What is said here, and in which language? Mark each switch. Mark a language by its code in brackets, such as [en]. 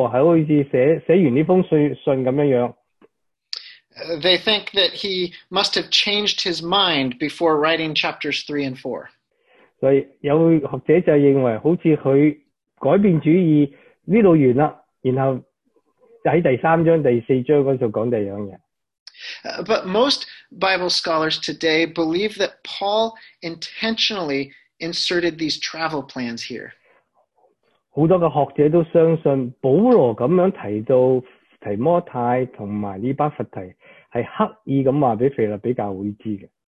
[yue] 好像看上来，保罗这样提到的时候，在这里就讲到保罗是好像写完这封信这样。 [en] They think that he must have changed his mind before writing chapters 3 and 4. [yue] 所以有学者就认为，好像他改变主意，这里完了，然后在第三章、第四章那时候讲第二样。 [en] But most Bible scholars today believe that Paul intentionally inserted these travel plans here. [yue] 很多的学者都相信保罗这样提到提摩太和尼巴弗提，是刻意地告诉腓立比教会知的。